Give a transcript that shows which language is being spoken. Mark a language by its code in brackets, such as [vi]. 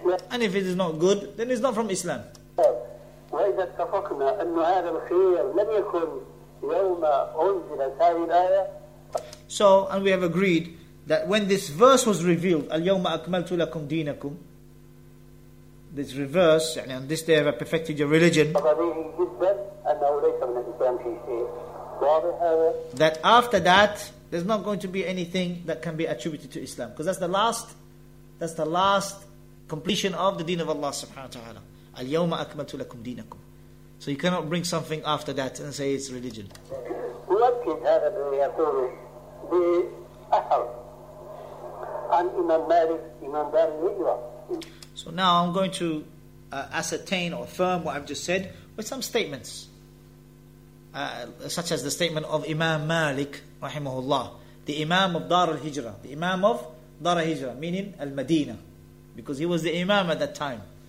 [en] And if it is not good, then it's not from Islam. [ar] وإذا اتفقنا أن هذا الخير لم يكن يوم أنزلت هذه الآية. [en] So, and we have agreed that when this verse was revealed, [ar] الْيَوْمَ أَكْمَلْتُ لَكُمْ دِينَكُمْ, [en] this reverse, يعني on this day I have perfected your religion, that after that, there's not going to be anything that can be attributed to Islam. Because that's the last completion of the deen of Allah subhanahu wa ta'ala. [ar] اليوم أكملت لكم دينكم. [en] So you cannot bring something after that and say it's religion. [ar] يؤكد هذا الذي يقوله بأثر عن إمام مالك إمام دار الهجرة. [en] So now I'm going to ascertain or affirm what I've just said with some statements, such as the statement of Imam Malik rahimahullah, the Imam of Dar al-Hijrah, the Imam of Dar al-Hijrah, meaning Al-Madina, because he was the Imam at that time.